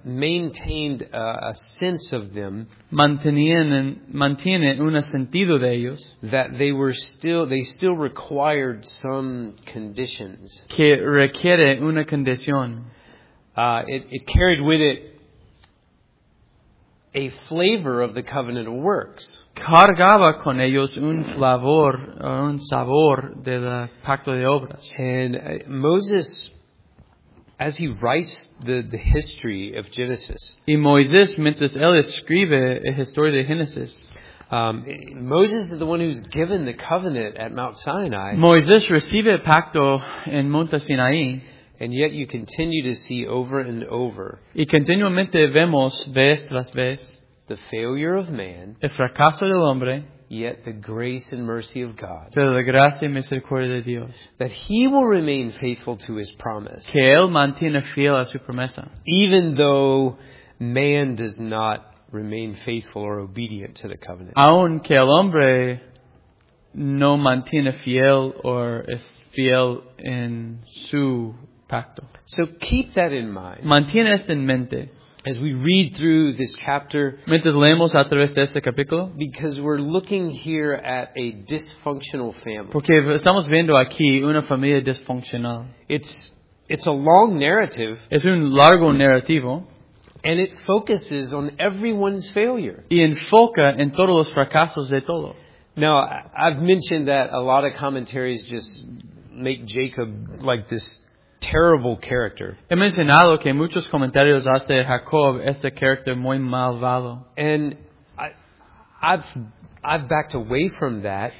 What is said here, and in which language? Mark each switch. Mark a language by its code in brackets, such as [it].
[en] maintained a sense of them, [es] mantienen un sentido de ellos, [en] that they were still, they still required some conditions, [es] que requiere una condición. [en] It carried with it a flavor of the covenant works. [es] Cargaba con ellos un flavor, un sabor de la pacto de obras. [en] And Moses, as he writes the history of Genesis, [es] y Moisés, mientras él escribe la historia de Genesis, [en] Moses is the one who's given the covenant at Mount Sinai. [es] Moisés recibe el pacto en Monte Sinaí. [en] And yet you continue to see over and over, [es] y continuamente vemos vez tras vez, [en] the failure of man, [es] el fracaso del hombre, [en] yet the grace and mercy of God, [es] pero la gracia y misericordia de Dios, [en] that he will remain faithful to his promise, [es] que él mantiene fiel a su promesa, [en] even though man does not remain faithful or obedient to the covenant. [es] Aun que el hombre no mantiene fiel or es fiel en su pacto. [en] So keep that in mind. [es] Mantiene esto en mente. [en] As we read through this chapter. [es] Mientras leemos a través de este capítulo. [en] Because we're looking here at a dysfunctional family. [es] Porque estamos viendo aquí una familia disfuncional. [en] It's a long narrative. [es] Es un largo narrativo. [en] And it focuses on everyone's failure. [es] Y enfoca en todos los fracasos de todos. [en] Now, I've mentioned that a lot of commentaries just make Jacob like this terrible character. [es] He mencionado que muchos comentarios hacen Jacob este carácter muy malvado. [en] And I've backed away from that.